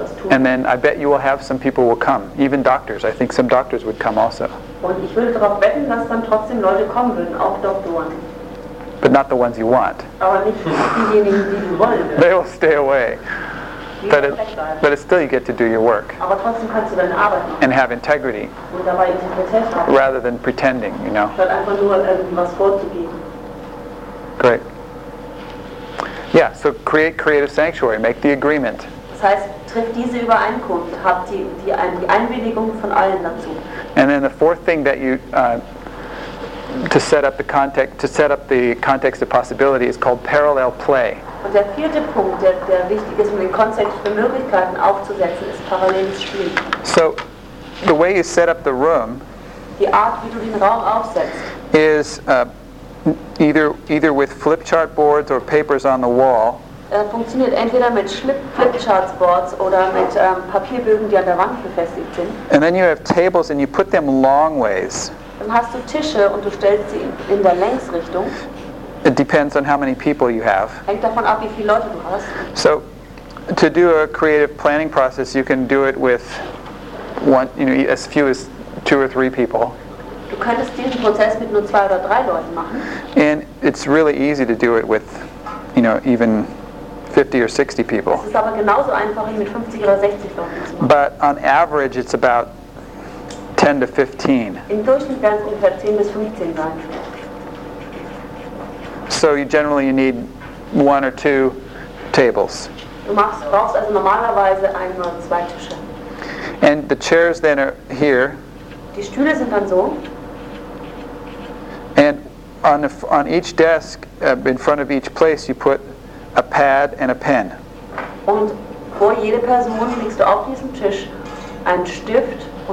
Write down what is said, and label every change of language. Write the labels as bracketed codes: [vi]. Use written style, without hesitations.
[en] And then I bet you will have some people will come, even doctors. I think some doctors would come also. [de] Und ich würde darauf wetten, dass dann trotzdem Leute kommen würden, auch Doktoren. [en] But not the ones you want. [de] Aber nicht diejenigen, die du wollen. [en] They will stay away. But it's still, you get to do your work. [de] Aber trotzdem kannst du deine Arbeit machen. [en] And have integrity. [de] Und dabei Integrität haben. [en] Rather than pretending, you know. [de] Statt einfach nur irgendwas vorzugeben. [en] Great. Yeah, so create creative sanctuary. Make the agreement. [de] Das heißt, triff diese Übereinkunft. Hab die Einwilligung von allen dazu. [en] And then the fourth thing that you... to set up the context of possibility is called parallel play. [de] Und der vierte Punkt, der wichtig ist, um den Kontext für Möglichkeiten aufzusetzen, ist paralleles Spiel. [en] So, the way you set up the room, [de] die Art, wie du den Raum aufsetzt, [en] is either with flip chart boards or papers on the wall. [de] Funktioniert entweder mit flip chart boards oder mit Papierbögen, die an der Wand befestigt sind. [en] And then you have tables and you put them long ways. [de] Dann hast du Tische und du stellst sie in der Längsrichtung. [en] It depends on how many people you have. [de] Hängt davon ab, wie viele Leute du hast. [en] So, to do a creative planning process, you can do it with one, you know, as few as two or three people. [de] Du könntest diesen Prozess mit nur zwei oder drei Leuten machen. [en] And it's really easy to do it with, you know, even 50 or 60 people. [de] Es ist aber genauso einfach, ihn mit 50 oder 60 Leuten zu machen. [en] But on average, it's about 10 to 15. [de] In Deutschland werden es ungefähr 10 bis 15 sein. [en] So you need one or two tables. [de] Du brauchst also normalerweise ein oder zwei Tische. [en] And the chairs then are here. [de] Die Stühle sind dann so. [en] And on each desk, in front of each place, you put a pad and a pen. [de] Und vor jede Person legst du auf diesem Tisch einen Stift.